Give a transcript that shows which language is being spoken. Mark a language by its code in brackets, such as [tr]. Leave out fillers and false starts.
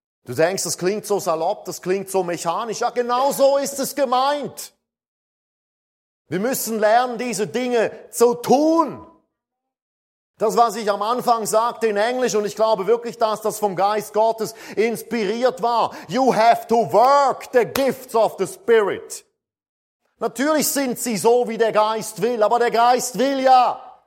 [de] Du denkst, das klingt so salopp, das klingt so mechanisch. Ja, genau so ist es gemeint. Wir müssen lernen, diese Dinge zu tun. Das, was ich am Anfang sagte in Englisch, und ich glaube wirklich, dass das vom Geist Gottes inspiriert war. [en] You have to work the gifts of the Spirit. [de] Natürlich sind sie so, wie der Geist will, aber der Geist will ja.